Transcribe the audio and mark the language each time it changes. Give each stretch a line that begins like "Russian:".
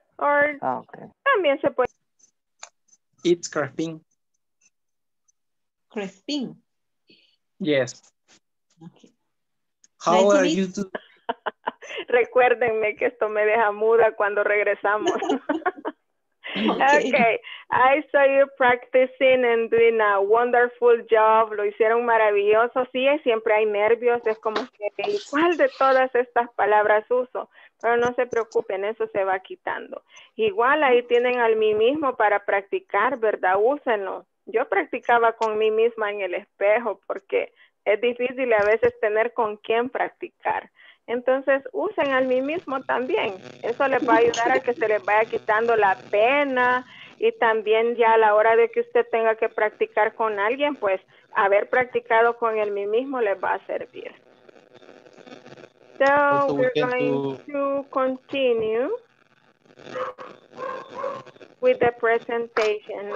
Spanish: Or también se puede.
English: It's crisping. Crisping. Yes. Okay. How are you doing?
Spanish: Recuérdenme que esto me deja muda cuando regresamos.
English: Okay. I saw you practicing and doing a wonderful job.
Spanish: Lo hicieron maravilloso. Sí, siempre hay nervios. Es como que, ¿cuál de todas estas palabras uso? Pero no se preocupen, eso se va quitando. Igual ahí tienen al mí mismo para practicar, ¿verdad? Úsenlo. Yo practicaba con mí misma en el espejo porque es difícil a veces tener con quién practicar. Entonces, usen al mí mismo también. Eso les va a ayudar a que se les vaya quitando la pena. Y también ya a la hora de que usted tenga que practicar con alguien, pues, haber practicado con el mí mismo les va a servir.
English: So, we're going to continue with the presentation.